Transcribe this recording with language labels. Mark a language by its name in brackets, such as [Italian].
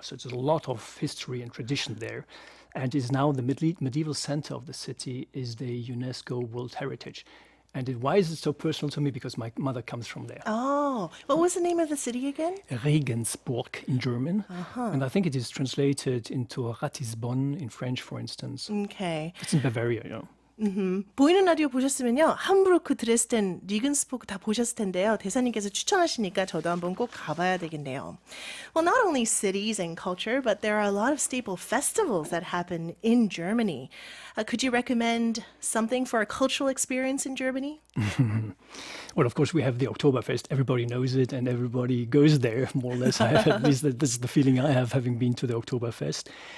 [English] So there's a lot of history and tradition there. And is now the medieval center of the city, is the UNESCO World Heritage. And why is it so personal to me? Because my mother comes from there. Oh, what was the name of the city again? Regensburg in German. Uh-huh. And I think it is translated into Ratisbon in French, for instance. Okay. It's in Bavaria, you know. [Korean] 보이는 라디오 보셨으면요, 함부르크, 드레스덴, 리겐스부르크 다 보셨을 텐데요. 대사님께서 추천하시니까 저도 한번 꼭 가봐야 되겠네요. [English] Well, not only cities and culture, but there are a lot of staple festivals that happen in Germany. Could you recommend something for a cultural experience in Germany? Well, of course, we have the Oktoberfest. Everybody knows it and everybody goes there, more or less. At least this is the feeling I have having been to the Oktoberfest.